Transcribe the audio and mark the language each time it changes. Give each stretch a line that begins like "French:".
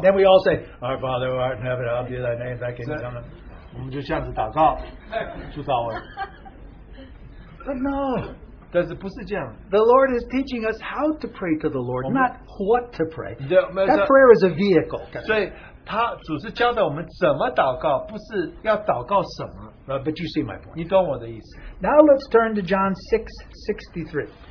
English: Then we all say, Our Father who art in heaven, I'll be thy name, thy kingdom.
Chinese: 我们就这样子祷告,主导我们。
English: But no.
Chinese: 但是不是这样,
English: the Lord is teaching us how to pray to the Lord, not what to pray. That prayer is a vehicle.
Chinese: 所以他主是教导我们怎么祷告，不是要祷告什么。
English: But you see my point. Now let's turn to John 6:63.